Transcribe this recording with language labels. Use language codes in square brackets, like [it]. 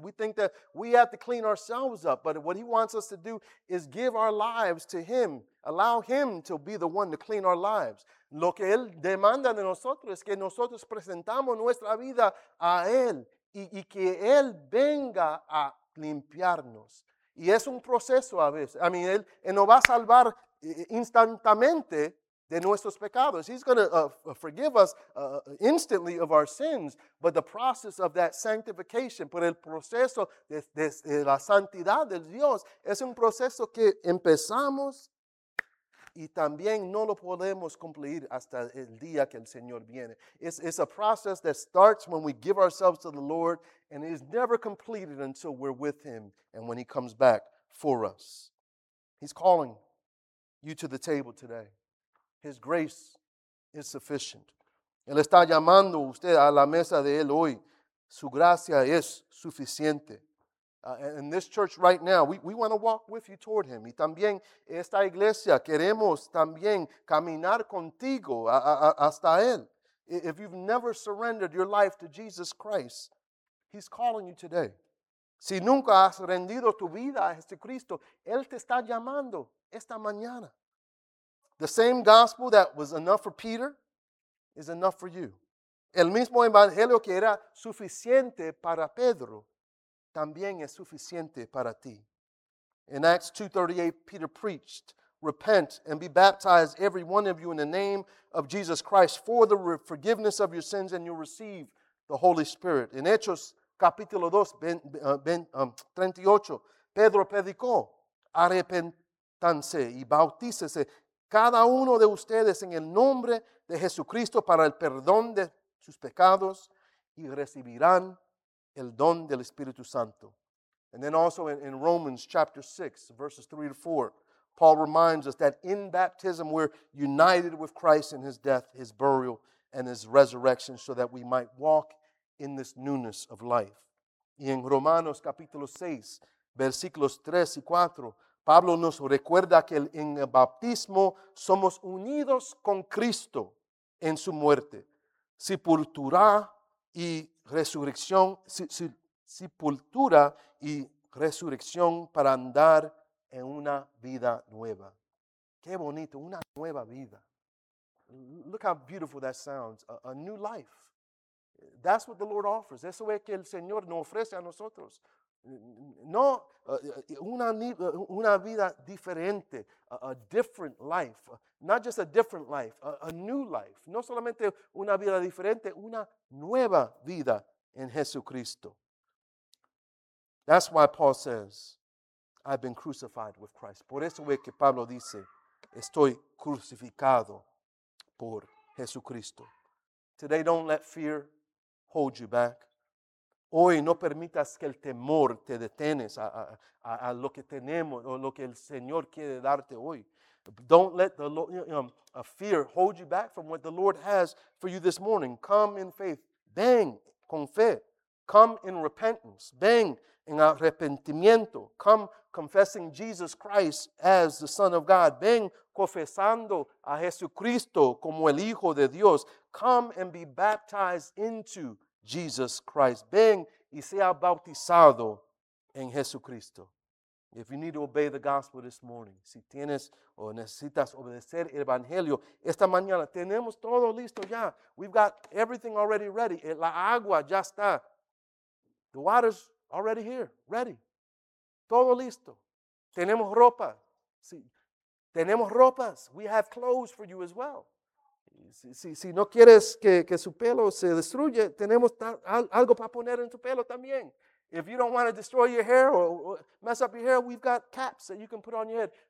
[en] We think that we have to clean ourselves up. But what he wants us to do is give our lives to him. Allow him to be the one to clean our lives. [es] Lo que él demanda de nosotros es que nosotros presentamos nuestra vida a él y que él venga a limpiarnos. Y es un proceso a veces. [en] I mean, [es] él nos va a salvar instantáneamente de nuestros pecados. [en] He's going to forgive us instantly of our sins. But the process of that sanctification, [es] por el proceso de la santidad de Dios, es un proceso que empezamos y también no lo podemos cumplir hasta el día que el Señor viene. [en] It's a process that starts when we give ourselves to the Lord and is never completed until we're with him and when he comes back for us. He's calling you to the table today. His grace is sufficient. [es] Él está llamando usted a la mesa de él hoy. Su gracia es suficiente. [en] In this church right now, we want to walk with you toward him. [es] Y también esta iglesia, queremos también caminar contigo hasta él. [en] If you've never surrendered your life to Jesus Christ, he's calling you today. [es] Si nunca has rendido tu vida a Jesucristo, él te está llamando esta mañana. [en] The same gospel that was enough for Peter is enough for you. [es] El mismo evangelio que era suficiente para Pedro también es suficiente para ti. [en] In Acts 2:38, Peter preached, "Repent and be baptized, every one of you, in the name of Jesus Christ for the forgiveness of your sins, and you'll receive the Holy Spirit." [es] In Hechos capítulo 2, 38, Pedro predicó, "Arrepentanse y bautícese cada uno de ustedes en el nombre de Jesucristo para el perdón de sus pecados y recibirán el don del Espíritu Santo." [en] And then also in Romans chapter 6, verses 3 to 4, Paul reminds us that in baptism we're united with Christ in his death, his burial, and his resurrection so that we might walk in this newness of life. [es] Y en Romanos capítulo 6, versículos 3 y 4, Pablo nos recuerda que en el bautismo somos unidos con Cristo en su muerte, sepultura y resurrección, sepultura y resurrección para andar en una vida nueva. Qué bonito, una nueva vida. [en] Look how beautiful that sounds, a new life. That's what the Lord offers. [es] Eso es que el Señor nos ofrece a nosotros. No, una vida diferente, [en] a different life. Not just a different life, a new life. [es] No solamente una vida diferente, una nueva vida en Jesucristo. [en] That's why Paul says, "I've been crucified with Christ." [es] Por eso es que Pablo dice, "Estoy crucificado por Jesucristo." [en] Today, don't let fear hold you back. [es] Hoy, no permitas que el temor te detenes a lo que tenemos o lo que el Señor quiere darte hoy. [en] Don't let the fear hold you back from what the Lord has for you this morning. Come in faith. [es] Ven con fe. [en] Come in repentance. [es] Ven en arrepentimiento. [en] Come confessing Jesus Christ as the Son of God. [es] Ven confesando a Jesucristo como el Hijo de Dios. [en] Come and be baptized into Jesus Christ. [es] Ven y sea bautizado en Jesucristo. [en] If you need to obey the gospel this morning, [es] si tienes o necesitas obedecer el evangelio, esta mañana tenemos todo listo ya. [en] We've got everything already ready. [es] La agua ya está. [en] The water's already here, ready. [es] Todo listo. Tenemos ropa. Si, tenemos ropas. [en] We have clothes for you as well. [es] Si no quieres que su pelo se destruya, tenemos algo para poner en tu pelo también. [en] If you don't want to destroy your hair or mess up your hair, we've got caps that you can put on your head.